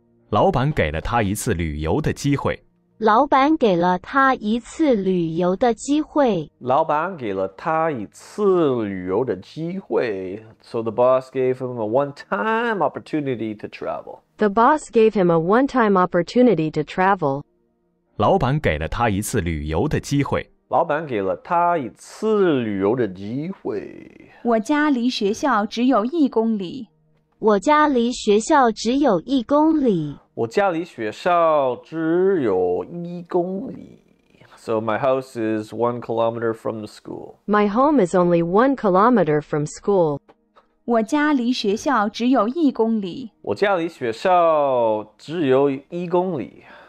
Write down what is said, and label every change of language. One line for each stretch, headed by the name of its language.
Chinese: 老板给了他一次旅游的机会。老板给了他一次旅游的机会。老板给了他一次旅游的机会。
English: So the boss gave him a one-time opportunity to travel. The boss gave him a one-time opportunity to travel.
Chinese: 老板给了他一次旅游的机会。老板给了他一次旅游的机会。我家离学校只有一公里。我家离学校只有一公里。我家离学校只有一公里。
English: So my house is 1 kilometer from the school. My home is only 1 kilometer from school.
Chinese: 我家离学校只有一公里。我家离学校只有一公里。